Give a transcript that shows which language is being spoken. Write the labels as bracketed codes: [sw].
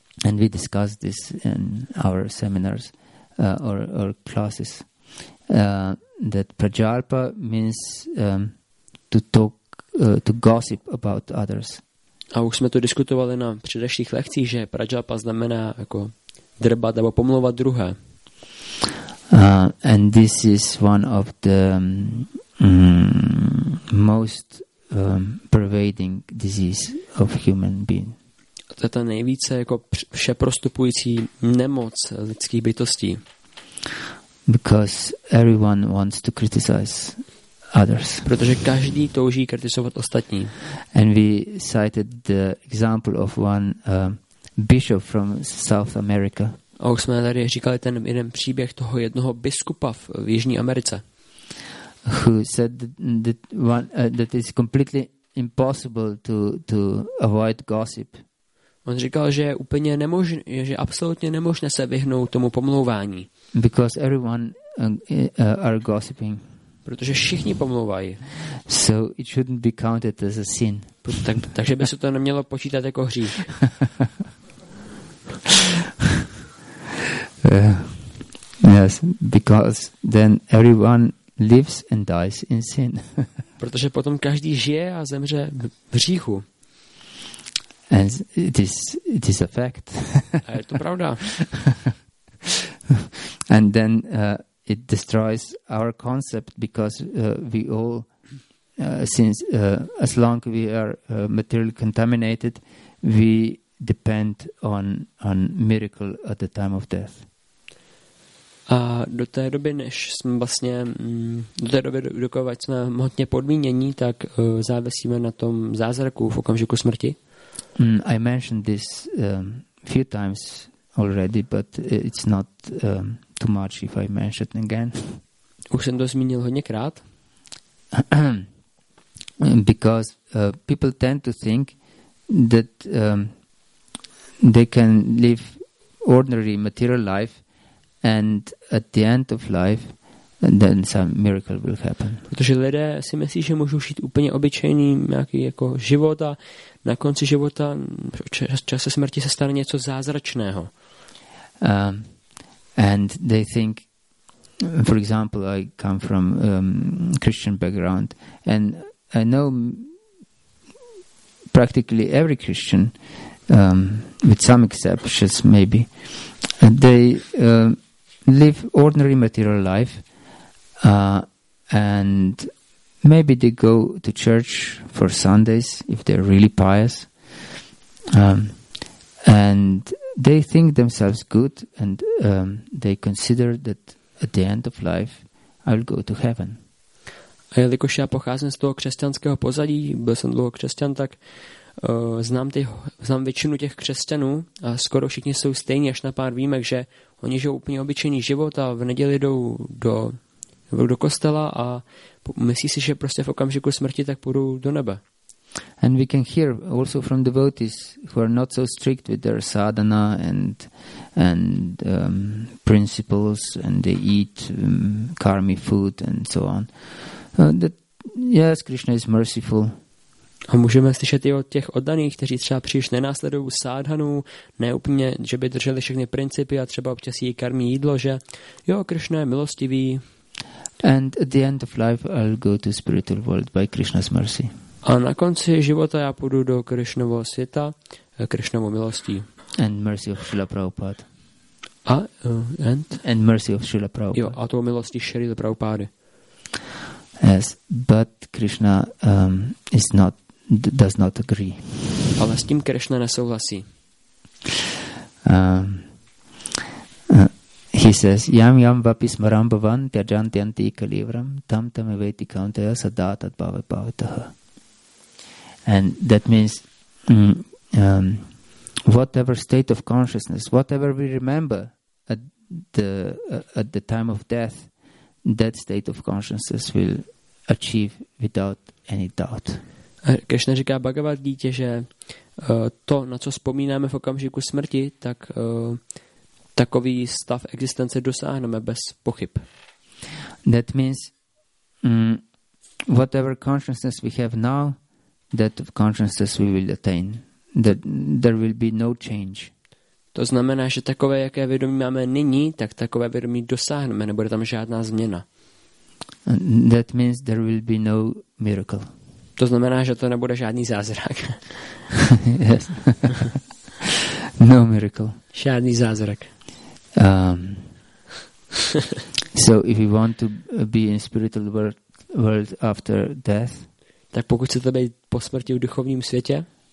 [en] And we discuss this in our seminars or classes that prajalpa means to gossip about others. [cs] A už jsme to diskutovali na předešlých lekcích, že prajalpa znamená jako drbat nebo pomlouvat druhé. [en] And this is one of the most pervading disease of human being. [cs] To je ta nejvíce jako všeprostupující nemoc lidských bytostí. [en] Because everyone wants to criticize others. [cs] Protože každý touží kritizovat ostatní. [en] And we cited the example of one bishop from South America. [cs] A už jsme tady říkali ten jeden příběh toho jednoho biskupa v Jižní Americe. [en] Who said that one that is completely impossible to avoid gossip. [cs] On říkal, že je úplně nemožné, že absolutně nemožné se vyhnout tomu pomlouvání. [en] Because everyone are gossiping. [cs] Protože všichni pomlouvají. [en] So it shouldn't be counted as a sin. [cs] Takže by se to nemělo počítat jako hřích. [en] Yes, because then everyone lives and dies in sin. [cs] Protože potom každý žije a zemře v hříchu. [en] And it is a fact. [cs] A je to pravda. [en] And then it destroys our concept because we all since as long we are materially contaminated, we depend on miracle at the time of death. [cs] A do té doby, než jsme vlastně do té doby, dokud jsme hmotně podmínění, tak závisíme na tom zázraku v okamžiku smrti. [en] I mentioned this few times already, but it's not too much if I mention it again. [cs] Už jsem to zmínil hodněkrát. [en] Because people tend to think that they can live ordinary material life and at the end of life then some miracle will happen. [cs] Protože lidé si myslí, že můžou žít úplně obyčejný nějaký jako život a na konci života čase smrti se stane něco zázračného. [en] And they think, for example, I come from Christian background and I know practically every Christian with some exceptions maybe, they live ordinary material life and maybe they go to church for Sundays if they're really pious and they think themselves good and they consider that at the end of life I will go to heaven. [cs] A jelikož já pocházím z toho křesťanského pozadí, byl jsem dlouho křesťan, tak znám většinu těch křesťanů a skoro všichni jsou stejní, až na pár výjimek, že oni žijou úplně obyčejný život a v neděli jdou do kostela a myslí si, že prostě v okamžiku smrti tak půjdou do nebe. [en] And we can hear also from devotees who are not so strict with their sadhana and principles and they eat karmic food and so on. That yes, Krishna is merciful. [cs] A můžeme slyšet i od těch oddaných, kteří třeba příliš nenásledují sádhanu, neúplně, že by drželi všechny principy a třeba občas jí karmí jídlo, že jo, Krishna je milostivý. [en] And at the end of life I'll go to spiritual world by Krishna's mercy. [cs] A na konci života já půjdu do Krishnovo světa, Krishnovo milostí. [en] And mercy of Srila Prabhupada. And mercy of Srila Prabhupada. [cs] Jo, a toho milostí Srila Prabhupada. [en] Yes, but Krishna is not does not agree. [cs] Ale s tím Krishna nesouhlasí. [en] He says, [sa] "Yam yam vapi smaram bhavan tyajanti anti kalivram tam tam eveti kaunteya sadatat bhava bhavatah." [en] And that means whatever state of consciousness, whatever we remember at the time of death, that state of consciousness will achieve without any doubt. [cs] Krishna říká Bhagavad Gita, že to, na co vzpomínáme v okamžiku smrti, tak takový stav existence dosáhneme bez pochyb. [en] That means whatever consciousness we have now, that consciousness we will attain. That there will be no change. [cs] To znamená, že takové, jaké vědomí máme nyní, tak takové vědomí dosáhneme, nebude tam žádná změna. [en] And that means there will be no miracle. [cs] To znamená, že to nebude žádný zázrak. [en] Yes. No miracle. [cs] Žádný zázrak. [en] So if you want to be in spiritual world after death, [cs] tak pokud chcete být po smrti v duchovním světě,